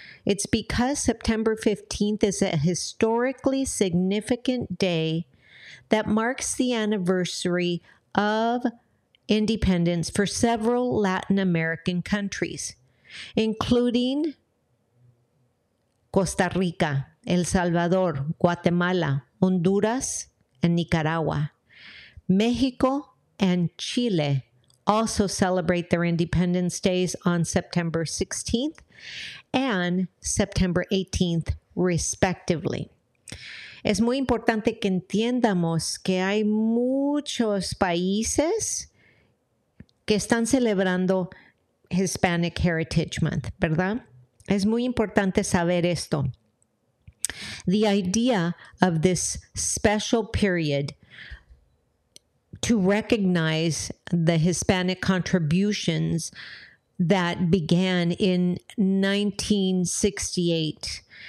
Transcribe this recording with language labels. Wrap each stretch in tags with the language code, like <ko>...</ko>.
<en>It's because September 15th is a historically significant day that marks the anniversary of independence for several Latin American countries, including Costa Rica, El Salvador, Guatemala, Honduras, and Nicaragua. Mexico and Chile also celebrate their independence days on September 16th and September 18th, respectively.</en> <es>Es muy importante que entiendamos que hay muchos países que están celebrando Hispanic Heritage Month, ¿verdad? Es muy importante saber esto.</es> <en>The idea of this special period to recognize the Hispanic contributions that began in 1968.</en>